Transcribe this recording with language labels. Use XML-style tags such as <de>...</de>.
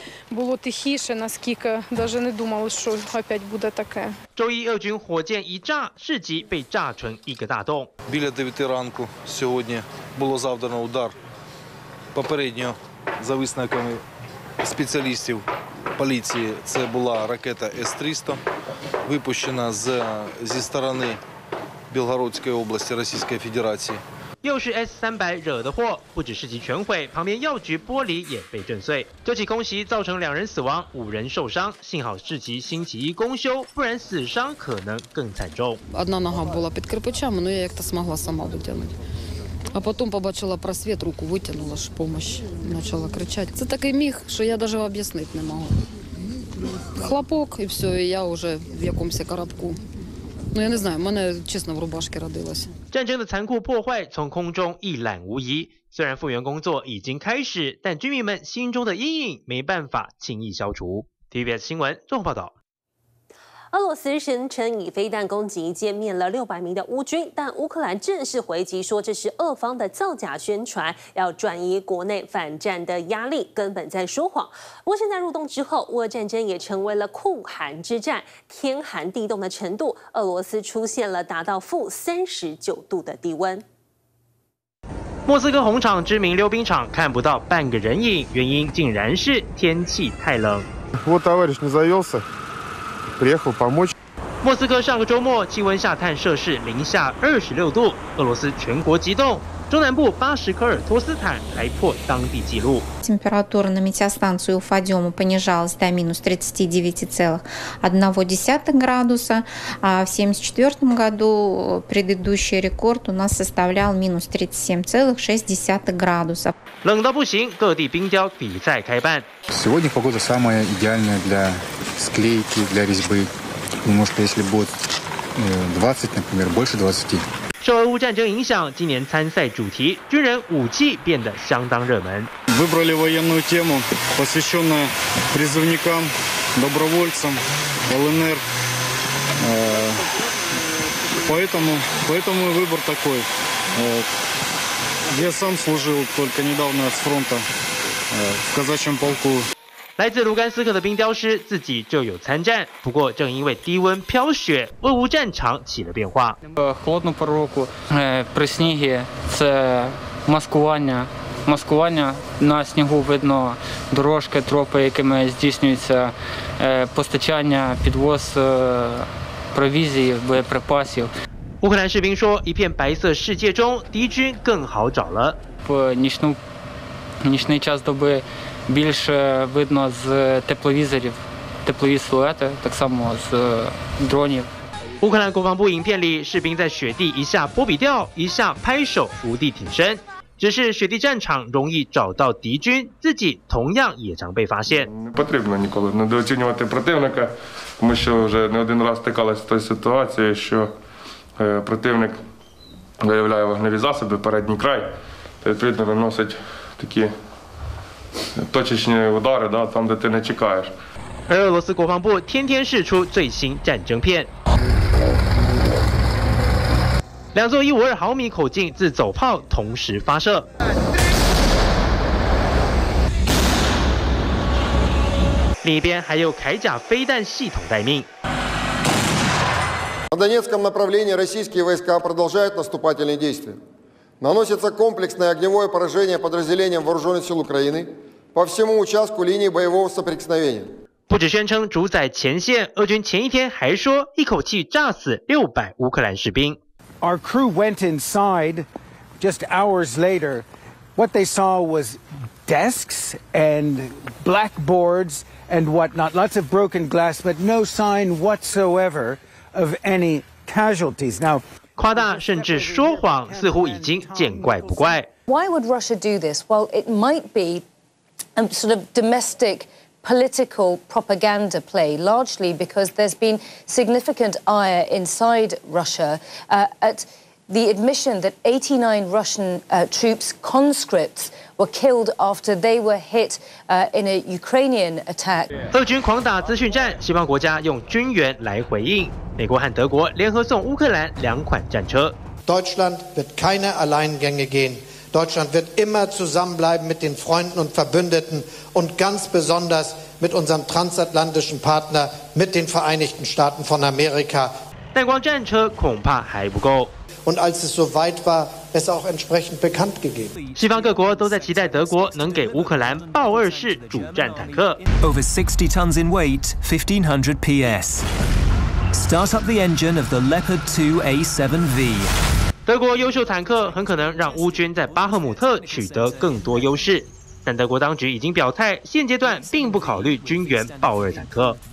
<uk>було тихіше, наскільки даже не думали, що опять буде таке.</uk> <zh>周一俄军火箭一炸，市集被炸成一个大洞。</zh> <uk>Біля 9 ранку сьогодні було завдано удар. Попередньо, за висновками спеціалістів поліції, це була ракета С-300, випущена зі сторони Білгородської області Російської Федерації.</uk> <zh>又是 S300 惹的祸，不止市集全毁，旁边药局玻璃也被震碎。这起空袭造成2人死亡，5人受伤，幸好市集星期一公休，不然死伤可能更惨重。</zh> <uk>Одна нога була під кирпичами, ну я як-то змогла сама витягнути. А потім побачила просвіт, руку витягнула, що помощ, почала кричати. Це такий міг, що я даже об'яснити не могу. Хлопок і все, і я уже в якомусь коробку. Ну, я не знаю, мене, чесно, в рубашці родилася.</uk> <zh>战争的残酷破坏从空中一览无遗。虽然复原工作已经开始，但居民们心中的阴影没办法轻易消除。 TVBS 新闻综合报道。俄罗斯声称以飞弹攻击歼灭了600名的乌军，但乌克兰正式回击说这是俄方的造假宣传，要转移国内反战的压力，根本在说谎。不过现在入冬之后，乌俄战争也成为了酷寒之战，天寒地冻的程度，俄罗斯出现了达到-39度的低温。莫斯科红场知名溜冰场看不到半个人影，原因竟然是天气太冷。莫斯科上个周末气温下探摄氏-26度，俄罗斯全国激动，中南部巴什科尔托斯坦还破当地纪录。</zh> <ru>температура на метеостанции Уфадема понижалась до -39.1°C, а в 1974 году предыдущий рекорд у нас составлял -37.6°.</ru> <zh>冷到不行，各地冰雕比赛开办。</zh> <ru>Сегодня погода самая идеальная для склейки, для резьбы. Потому что если будет 20, например, больше 20.</ru> <zh>受俄乌战争影响，今年参赛主题军人武器变得相当热门。</zh> <ru>Выбрали военную тему, посвященную призывникам, добровольцам, ЛНР. Поэтому выбор такой. Я сам служил только недавно с фронта в казачьем полку.</ru> <zh>来自卢甘斯克的冰雕师自己就有参战，不过正因为低温飘雪，俄乌战场起了变化。</zh> <uk>холодну пороку, при снігі це маскування. Маскування на снігу видно дорожки, тропи, якими здійснюється постачання, підвоз провізії, боєприпасів.</uk> <zh>乌克兰士兵说，一片白色世界中，敌军更好找了。</zh> <uk>По нічну нічний час доби. Більше видно з тепловізорів, теплові силуети, так само з дронів.</uk> <zh>乌克兰国防部影片里，士兵在雪地一下波比调，一下拍手，伏地挺身。只是雪地战场容易找到敌军，自己同样也常被发现。</zh> <uk>Не потрібно ніколи недооцінювати противника, тому що вже не один раз стикалася з тою ситуацією, що противник виявляє вогневі засоби, передній край, відповідно виносить такі. точечні удари, да, там, де ти не чекаєш.</uk> <zh>俄罗斯国防部天天释出最新战争片。两座152毫米口径自走炮同时发射。另一边还有铠甲飞弹系统待命。</zh> <ru>На Донецком направлении российские войска продолжают наступательные действия. Наносится комплексное огневое поражение подразделениям вооруженных сил Украины. По всему участку линии боевого соприкосновения.</ru> <zh>不只宣称主宰前线，俄军前一天还说一口气炸死600乌克兰士兵。</zh> <en>Our crew went inside just hours later. What they saw was desks and blackboards and whatnot, lots of broken glass, but no sign whatsoever of any casualties. Now,</en> <zh>夸大甚至说谎，似乎已经见怪不怪。</zh> <en>Why would Russia do this? Well, it might be. Sort of domestic political propaganda play, largely because there's been significant ire inside Russia at the admission that 89 Russian troops, conscripts, were killed after they were hit in a Ukrainian attack.</en> <zh>俄军狂打资讯战，西方国家用军援来回应。美国和德国联合送乌克兰两款战车。</zh> <de>Deutschland wird keine Alleingänge gehen. Deutschland wird immer zusammenbleiben mit den Freunden und Verbündeten und ganz besonders mit unserem transatlantischen Partner, mit den Vereinigten Staaten von Amerika.</de> <zh>但光战车恐怕还不够。</zh> <de>Und als es so weit war, es auch entsprechend bekannt gegeben.</de> <zh>西方各国都在期待德国能给乌克兰豹二式主战坦克。</zh> <en>Over 60 tons in weight, 1500 PS. Start up the engine of the Leopard 2A7V.</en> <zh>德国优秀坦克很可能让乌军在巴赫姆特取得更多优势，但德国当局已经表态，现阶段并不考虑军援豹二坦克。</zh>